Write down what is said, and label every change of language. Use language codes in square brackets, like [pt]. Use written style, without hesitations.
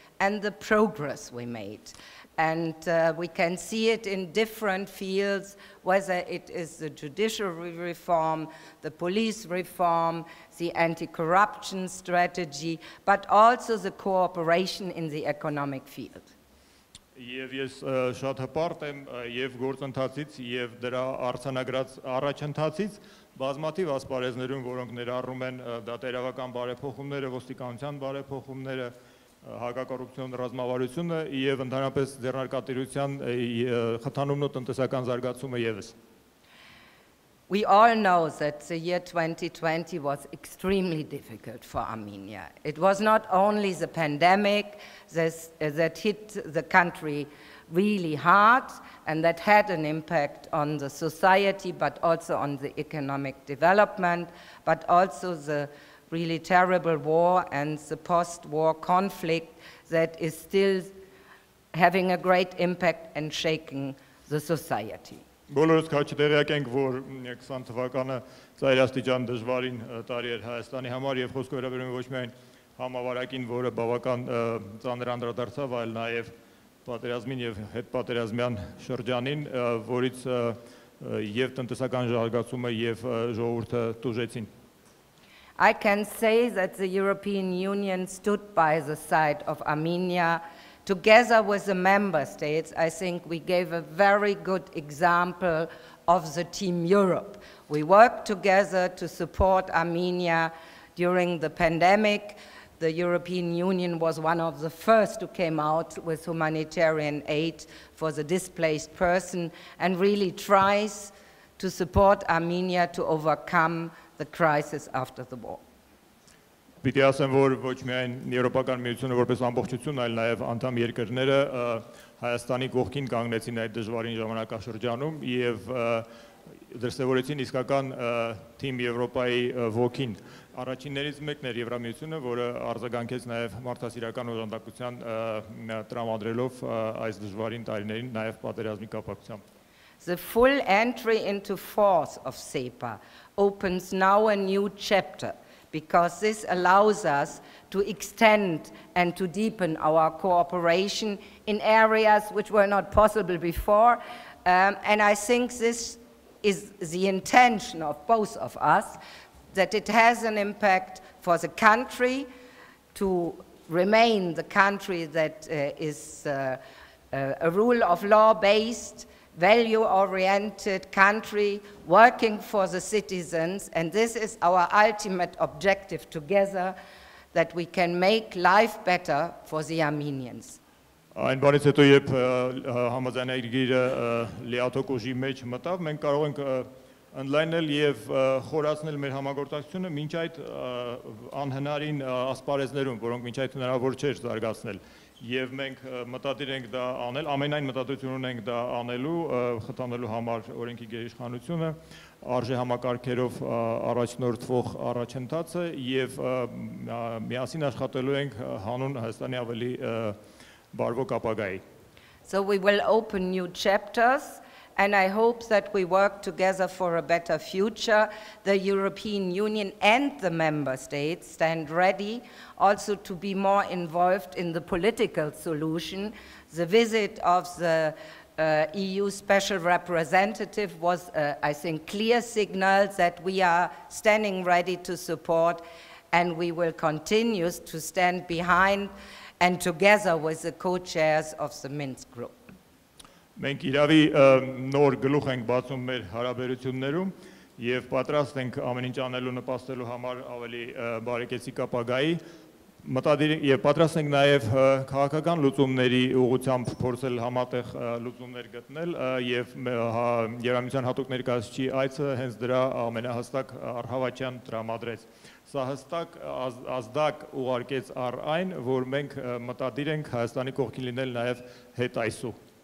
[en] And the progress we made. And we can see it in different fields, whether it is the judiciary reform, the police reform, the anti-corruption strategy, but also the cooperation in the economic field. [hy] Եվ ես շատ հպարտ եմ եւ գործընթացից եւ դրա արցանագրած առաջընթացից բազմաթիվ ասպարեզներում, որոնք ներառում են դատարանական բարեփոխումները, ոստիկանության բարեփոխումները, հակակոռուպցիոն ռազմավարությունը եւ ընդհանրապես ձեռնարկատիրության խթանումն ու տնտեսական զարգացումը եւս. [en] We all know that the year 2020 was extremely difficult for Armenia. It was not only the pandemic that hit the country really hard and that had an impact on the society but also on the economic development but also the really terrible war and the post-war conflict that is still having a great impact and shaking the society. [hy] Բոլորս քաչ տեղյակ ենք, որ 20 թվականը ծայրաստիճան դժվարին տարի էր Հայաստանի համար եւ խոսքը վերաբերում է ոչ միայն համավարակին, որը բավական ծանր անդրադարձավ, այլ նաեւ պատերազմին եւ հետպատերազմյան շրջանին, որից եւ տնտեսական զարգացումը եւ ժողովուրդը տուժեցին. [en] I can say that the European Union stood by the side of Armenia together with the member states. I think we gave a very good example of the Team Europe. We worked together to support Armenia during the pandemic. The European Union was one of the first who came out with humanitarian aid for the displaced person and really tries to support Armenia to overcome the crisis after the war. [hy] Պիտի ասեմ, որ ոչ միայն Եվրոպական միությունը որպես ամբողջություն, այլ նաև անդամ երկրները Հայաստանի կողքին կանգնեցին այդ դժվարին ժամանակաշրջանում եւ դրսևորեցին իսկական թիմ Եվրոպայի ոգին։ Առաջիններից մեկն էր Եվրամիությունը, որը արձագանքեց նաև մարդասիրական օժանդակության տրամադրելով այս դժվարին տարիներին նաև պատերազմի կապակցությամբ։ [en] The full entry into force of SEPA opens now a new chapter because this allows us to extend and to deepen our cooperation in areas which were not possible before. And I think this is the intention of both of us, that it has an impact for the country to remain the country that is a rule of law based, value-oriented country working for the citizens, and this is our ultimate objective together, that we can make life better for the Armenians. [hy] Այն բանից հետո, երբ համաձայնագիրը լիաթոք ուժի մեջ մտավ, մենք կարող ենք ընդլայնել և խորացնել մեր համագործակցությունը մինչ այդ անհնարին ասպարեզներում, որոնք մինչ այդ հնարավոր չէր զարգացնել։ Եվ մենք մտադիր ենք դա անել, ամենայն մտադրություն ունենք դա անելու, խթանելու համար օրենքի գերիշխանությունը, արժե համակարգերով առաջնորդվող առաջընթացը, և միասին աշխատելու ենք հանուն Հայաստանի ավելի բարվոք ապագայի։ [en] So we will open new chapters, and I hope that we work together for a better future. The European Union and the member states stand ready also to be more involved in the political solution. The visit of the EU special representative was, I think, clear signal that we are standing ready to support, and we will continue to stand behind and together with the co-chairs of the Minsk group. [hy] Մենք իրավի նոր գլուխ ենք բացում մեր հարաբերություններում և պատրաստ ենք ամեն ինչ անելու նպաստելու համար ավելի բարեկեցիկ ապագայի մտադիր և պատրաստ ենք նաև քաղաքական լուծումների ուղղությամբ փորձել համատեղ լուծումներ գտնել և Եվրամիության հատուկ ներկայացուցիչի այցը հենց դրա ամենահստակ առհավաճան տրամադրեց։ Սա հստակ ազդակ ուղարկեց առ այն, որ մենք մտադիր ենք Հայաստանի կողքին լինել նաև հետ այսու։